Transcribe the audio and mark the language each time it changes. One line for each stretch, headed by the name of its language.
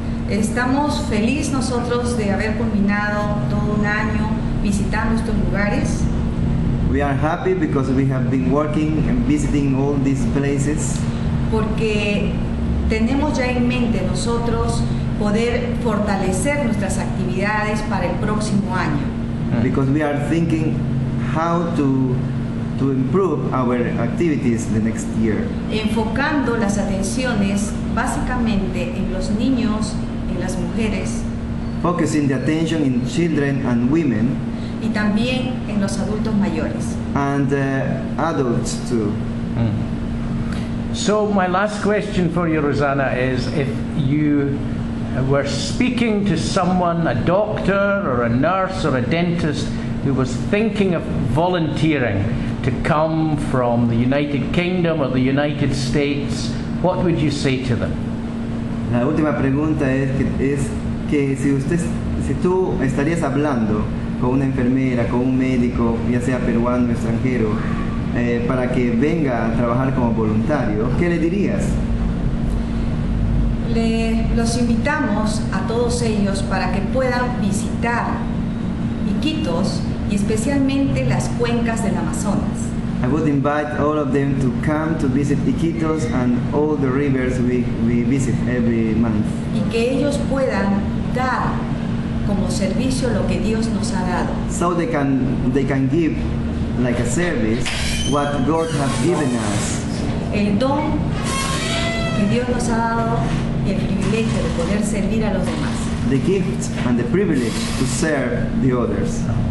Spanish: Estamos felices nosotros de haber culminado todo un año visitando estos lugares.
English: We are happy because we have been working and visiting all these places.
Spanish: Porque tenemos ya en mente nosotros poder fortalecer nuestras actividades para el próximo año.
English: Because we are thinking how to improve our activities the next year.
Spanish: Enfocando las atenciones básicamente en los niños y las mujeres.
English: Focusing the attention in children and women.
Spanish: Y también en los adultos mayores.
English: And adults too. Mm. So my last question for you, Rosana, is if you were speaking to someone, a doctor or a nurse or a dentist, who was thinking of volunteering to come from the United Kingdom or the United States, what would you say to them?
Spanish: La última pregunta es que si usted si tú estarías hablando con una enfermera, con un médico, ya sea peruano o extranjero, para que venga a trabajar como voluntario, ¿qué le dirías? Los invitamos a todos ellos para que puedan visitar Iquitos y especialmente las cuencas del Amazonas.
English: I would invite all of them to come to visit Iquitos and all the rivers we visit every month.
Spanish: Y que ellos puedan dar como servicio lo que Dios nos ha dado.
English: So they can give like a service what God has given us.
Spanish: El don que Dios nos ha dado y el privilegio de poder servir a los demás.
English: The gift and the privilege to serve the others.